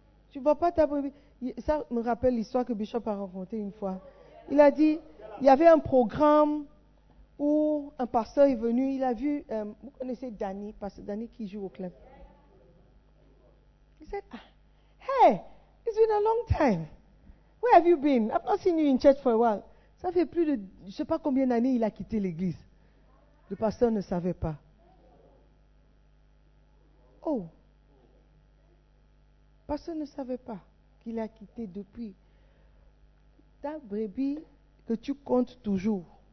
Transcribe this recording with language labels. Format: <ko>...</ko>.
<fr>Tu ne vois pas ta brebis. Ça me rappelle l'histoire que Bishop a racontée une fois. Il a dit, il y avait un programme où un pasteur est venu, il a vu, vous connaissez Danny, pasteur Danny qui joue au club.</fr> <en>Il a dit, hey, it's been a long time. Where have you been? I've not seen you in church for a while.</en> <fr>Ça fait plus de, je ne sais pas combien d'années il a quitté l'église. Le pasteur ne savait pas. Oh. Personne ne savait pas qu'il a quitté depuis. Ta brebis que tu comptes toujours.</fr>